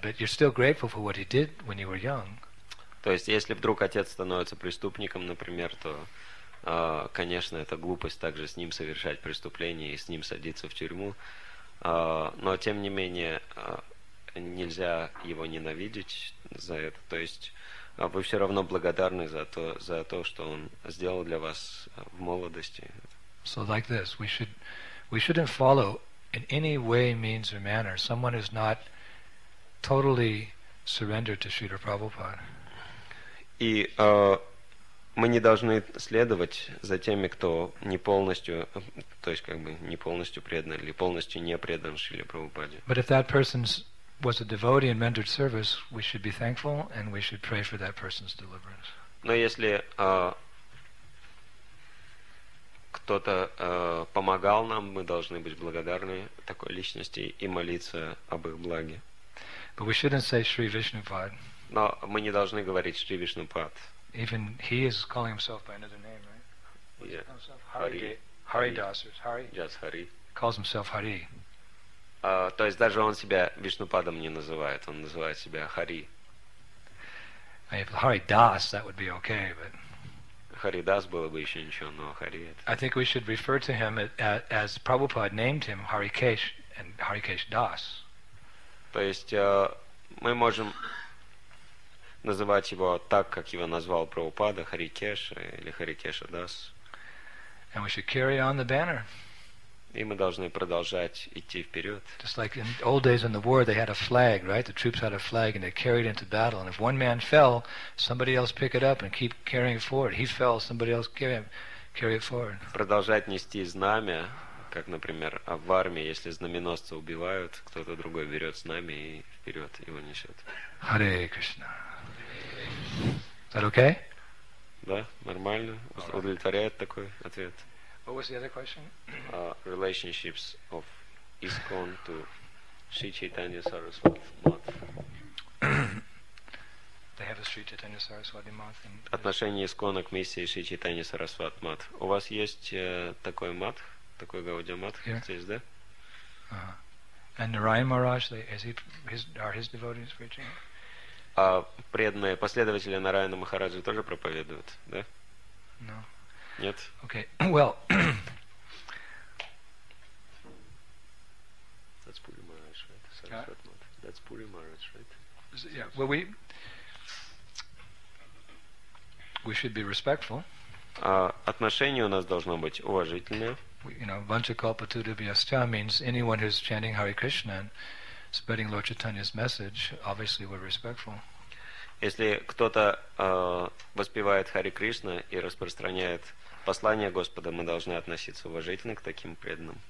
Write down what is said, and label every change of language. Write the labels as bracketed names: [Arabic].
[English] But you're still grateful for what he did when you were young. [Russian] То есть, если вдруг отец становится преступником, например, то, конечно, это глупость также с ним совершать преступление и с ним садиться в тюрьму. Но тем не менее нельзя его ненавидеть за это. То есть вы все равно благодарны за то, что он сделал для вас в молодости. [English] So like this, we shouldn't follow in any way, means or manner someone who's not totally surrendered to Śrīla Prabhupāda. [Russian] И мы не должны следовать за теми, кто не полностью, то есть как бы не полностью предан или полностью не предан Śrīla Prabhupāda. [English] But if that person's was a devotee and rendered service, we should be thankful and we should pray for that person's deliverance. [Russian] Но если кто-то помогал нам, мы должны быть благодарны такой личности и молиться об их благе. [English] But we shouldn't say Shri Vishnupad. [Russian] Но мы не должны говорить Shri Vishnupad. [English] Even he is calling himself by another name, right? Yeah. Hari. Just Hari. Calls himself Hari. [Russian] То есть даже он себя Вишнупадом не называет, он называет себя Хари. [English] If Hari Das, that would be okay, but [Russian] Хари Дас было бы еще ничего, но Хари это. [English] I think we should refer to him as Prabhupada named him Harikesh and Harikesh Das. [Russian] То есть мы можем называть его так, как его назвал Прабхупада, Харикеш или Харикеша Дас. [English] And we should carry on the banner. [Russian] И мы должны продолжать идти вперед. [English] Just like in old days in the war, they had a flag, right? The troops had a flag and they carried it into battle. And if one man fell, somebody else pick it up and keep carrying it forward. He fell, somebody else carry it forward. [Russian] Продолжать нести знамя, Как, например, в армии, если знаменосца убивают, кто-то другой берет знамя и вперед его несет. Харе Кришна. [English] Is that okay? [Russian] Да, нормально. Right. Удовлетворяет такой ответ. [English] What was the other question? Relationships of ISKCON to Sri Chaitanya Saraswati Math. They have a Sri Chaitanya Saraswati Math. [Russian] Отношение ИСКОНа к миссии Sri Chaitanya Saraswati Math. У вас есть такой мат, такой Гаудия мат здесь, да? [English] And Narayan Maharaj, are his devotees preaching? [Russian] А преданные последователи Нараяна Махараджи тоже проповедуют, да? [English] No. [Russian] Нет? [English] Okay. Well. That's Puri Maharaj, right? Saraswati Math. That's Puri Maharaj, right? Yeah. Well, we should be respectful. [Russian] Отношение у нас должно быть уважительное. [English] You know, Vancha Kalpa Tudibhyascha means anyone who's chanting Hare Krishna and spreading Lord Chaitanya's message, obviously we're respectful. [Russian] Если кто-то воспевает Харе Кришна и распространяет послание Господа, мы должны относиться уважительно к таким преданным.